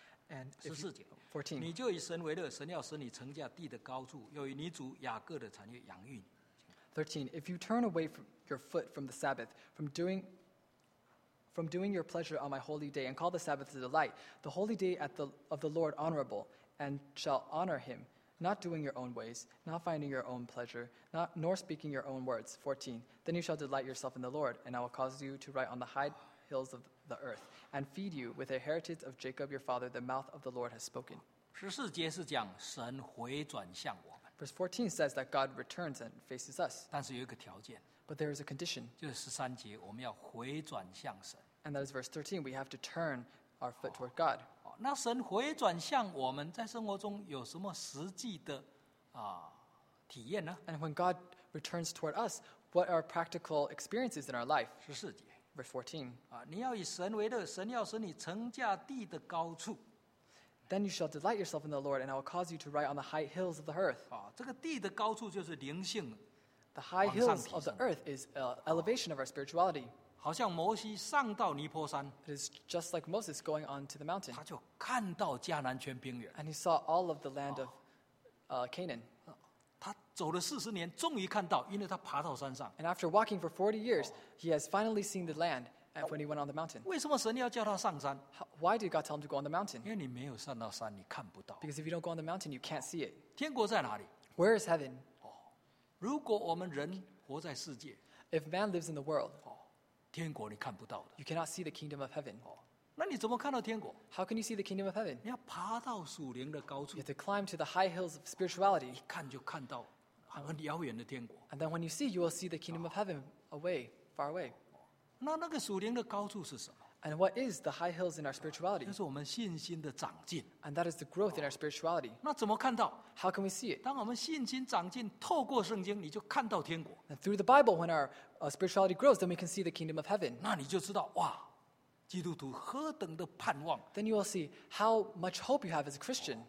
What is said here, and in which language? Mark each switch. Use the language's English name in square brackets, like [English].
[English] And [Chinese] 14节 [English] 14. [Chinese] 你就以神为乐，神要使你成家地的高处，又以你主雅各的产业养育你。 [English] 13. If you turn away from your foot from the Sabbath, from doing your pleasure on my holy day and call the Sabbath a delight, the holy day of the Lord honorable, and shall honor him, not doing your own ways, not finding your own pleasure, nor speaking your own words. 14. Then you shall delight yourself in the Lord, and I will cause you to ride on the high hills of the earth, and feed you with the heritage of Jacob your father, the mouth of the Lord has spoken. [Chinese] 14节是讲神回转向我们。 [English] Verse 14 says that God returns and faces us. [Chinese] 但是有一个条件。 [English] But there is a condition. [Chinese] 就是13节我们要回转向神。 [English] And that is verse 13. We have to turn our foot toward God. [Chinese] 那神回转向我们在生活中有什么实际的体验呢？ [English] And when God returns toward us, what are practical experiences in our life? [Chinese] 14节。 [English] Verse 14. [Chinese] 你要以神为乐，神要使你成家地的高处。 [English] Then you shall delight yourself in the Lord, and I will cause you to ride on the high hills of the earth. [Chinese] 这个地的高处就是灵性。 [English] The high hills of the earth is elevation of our spirituality. [Chinese] 好像摩西上到尼坡山。 [English] It is just like Moses going on to the mountain. [Chinese] 他就看到迦南全平原。 [English] And he saw all of the land of Canaan. [Chinese] 他走了40年，终于看到，因为他爬到山上。 [English] And after walking for 40 years, he has finally seen the land when he went on the mountain. [Chinese] 为什么神要叫他上山？ [English] Why did God tell him to go on the mountain? [Chinese] 因为你没有上到山，你看不到。 [English] Because if you don't go on the mountain, you can't see it. [Chinese] 天国在哪里？ [English] Where is heaven? [Chinese] 如果我们人活在世界， [English] If man lives in the world, [Chinese] 天国你看不到的。 [English] You cannot see the kingdom of heaven. [Chinese] 那你怎么看到天国？ [English] How can you see the kingdom of heaven? [Chinese] 你要爬到属灵的高处。 [English] You have to climb to the high hills of spirituality. [Chinese] 一看就看到很遥远的天国。 [English] And then when you see, you will see the kingdom of heaven away, far away. [Chinese] 那个属灵的高处是什么？ [English] And what is the high hills in our spirituality? [Chinese] 就是我们信心的长进。 [English] And that is the growth in our spirituality. [Chinese] 那怎么看到？ [English] How can we see it? [Chinese] 当我们信心长进，透过圣经，你就看到天国。 [English] And through the Bible, when our spirituality grows, then we can see the kingdom of heaven. [Chinese] 那你就知道，哇，基督徒何等的盼望。 [English] Then you will see how much hope you have as a Christian.